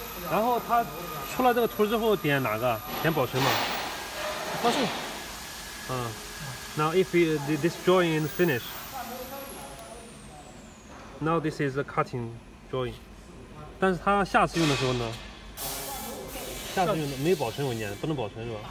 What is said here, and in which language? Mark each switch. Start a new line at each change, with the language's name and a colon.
Chinese: 然后他出了这个图之后点哪个？点保存吗？保存。
English: Now if this drawing is finished, now this is the cutting drawing.
Chinese: 但是他下次用的时候呢？下次用的没保存文件，不能保存是吧？